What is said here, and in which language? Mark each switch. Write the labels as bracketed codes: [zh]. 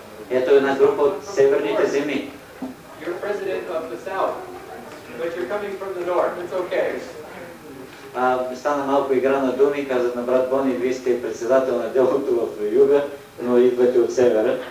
[bg] Ето една група от северните земи. [en] You're president of the south, but you're coming from the north. It's okay. [bg] Стана малко игра на думи, казват на брат Бони, вие сте председател на делото в юга, но идвате от севера.